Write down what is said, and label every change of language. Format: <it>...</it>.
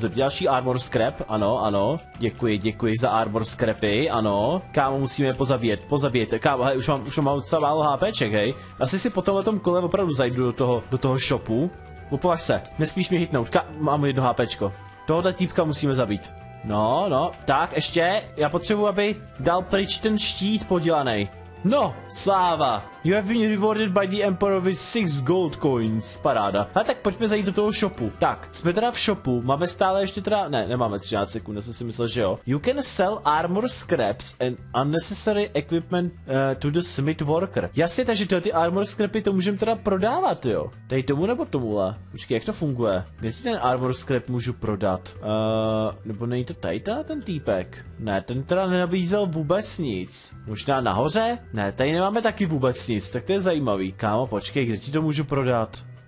<cs>Další armor scrap, ano, děkuji za armor scrapy, ano, kámo, musíme pozabíjet, kámo, hele, už mám docela málo HPček, hej, asi si potom na tom kole opravdu zajdu do toho shopu. Opovaž se, nesmíš mě hitnout, mám jedno HPčko, tohoto týpka musíme zabít. No, tak ještě, já potřebuji, aby dal pryč ten štít podělaný. No, sláva,</cs> <en>you have been rewarded by the emperor with 6 gold coins,</en> <cs>paráda. Ale tak pojďme zajít do toho shopu. Tak, jsme teda v shopu, máme stále ještě teda, ne, nemáme 13 sekund, já jsem si myslel, že jo.</cs> <en>You can sell armor scraps and unnecessary equipment to the smith worker.</en> <cs>Jasně, takže ty armor scrapy to můžeme teda prodávat, jo. Tady tomu nebo tomuhle? Počkej, jak to funguje? Kde si ten armor scrap můžu prodat? Nebo není to tady teda ten týpek? Ne, ten teda nenabízel vůbec nic. Možná nahoře? Ne, tady nemáme taky vůbec nic, tak to je zajímavý. Kámo, počkej, kde ti to můžu prodat?</cs>